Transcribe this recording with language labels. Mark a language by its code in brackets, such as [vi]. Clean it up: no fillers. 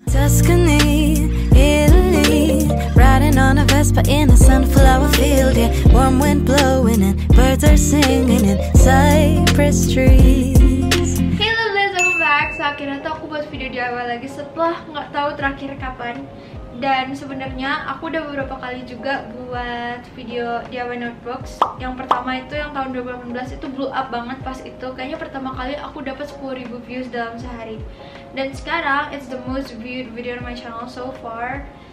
[en] Tuscany, Italy, riding on a Vespa in a sunflower field, yeah. Warm wind blowing and birds are singing in cypress trees. Hello guys, welcome back. [id] So akhirnya tuh aku buat video di awal lagi setelah gak tahu terakhir kapan. Dan sebenarnya aku udah beberapa kali juga buat video DIY Notebooks. Yang pertama itu yang tahun 2018 itu [en] blew up banget [id] pas itu. Kayaknya pertama kali aku dapat 10.000 views dalam sehari. Dan sekarang [en] it's the most viewed video on my channel so far.